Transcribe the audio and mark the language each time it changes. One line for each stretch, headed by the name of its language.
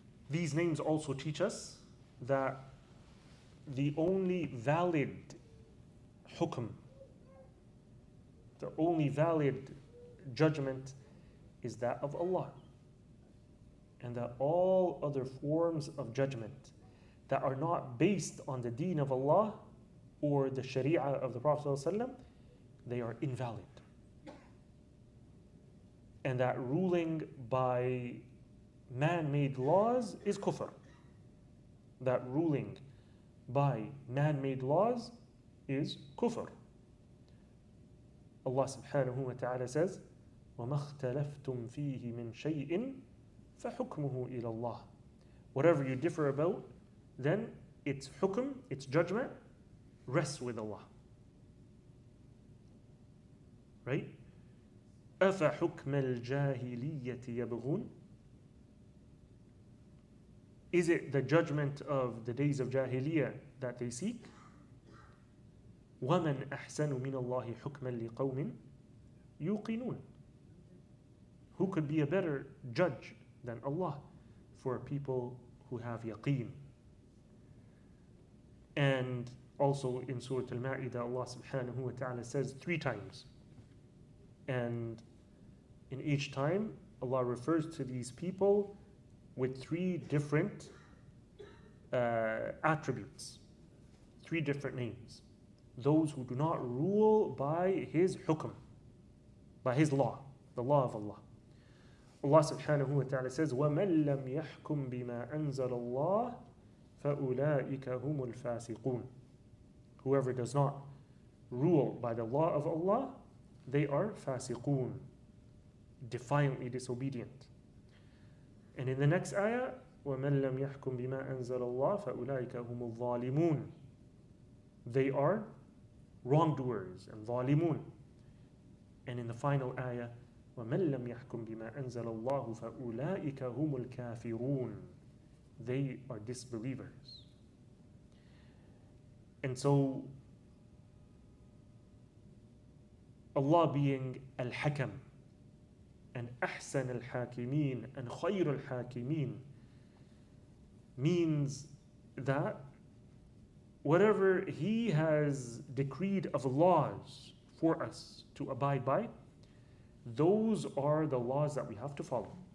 English: These names also teach us that the only valid hukm, the only valid judgment, is that of Allah, and that all other forms of judgment that are not based on the deen of Allah or the sharia of the Prophet ﷺ, they are invalid. And that ruling by man-made laws is kufr. That ruling by man-made laws is kufr. Allah subhanahu wa ta'ala says,
Arabic: وَمَا اخْتَلَفْتُمْ فِيهِ مِنْ شَيْءٍ فَحُكْمُهُ إِلَى اللَّهِ.
English: Whatever you differ about, then its hukm, its judgment, rests with Allah. Right?
Arabic: أَفَحُكْمَ الْجَاهِلِيَّةِ يَبْغُونَ.
English: Is it the judgment of the days of Jahiliyyah that they seek?
Arabic: وَمَنْ أَحْسَنُ مِنَ اللَّهِ حُكْمًا لِقَوْمٍ يُقِنُونَ.
English: Who could be a better judge than Allah for people who have yaqeen? And Also in Surah Al-Ma'idah, Allah subhanahu wa ta'ala says three times. And in each time, Allah refers to these people with three different attributes, three different names. Those who do not rule by His hukm, by His law, the law of Allah. Allah subhanahu wa ta'ala says,
Arabic: وَمَنْ لَمْ يَحْكُمْ بِمَا أَنزَلَ اللَّهِ فَأُولَٰئِكَ هُمُ الْفَاسِقُونَ.
English: Whoever does not rule by the law of Allah, they are fasiqun, defiantly disobedient. And in the next ayah,
Arabic: وَمَنْ لَمْ يَحْكُمْ بِمَا أَنزَلَ اللَّهِ فَأُولَٰئِكَ هُمُ الظَّالِمُونَ.
English: They are wrongdoers and ظالمون. And in the final ayah,
Arabic: وَمَنْ لَمْ يَحْكُمْ بِمَا أَنزَلَ اللَّهُ فَأُولَٰئِكَ هُمُ الْكَافِرُونَ.
English: They are disbelievers. And so, Allah being Al-Hakam, and
Arabic: أحسن الحاكمين,
English: and
Arabic: خير الحاكمين,
English: means that whatever He has decreed of laws for us to abide by, those are the laws that we have to follow.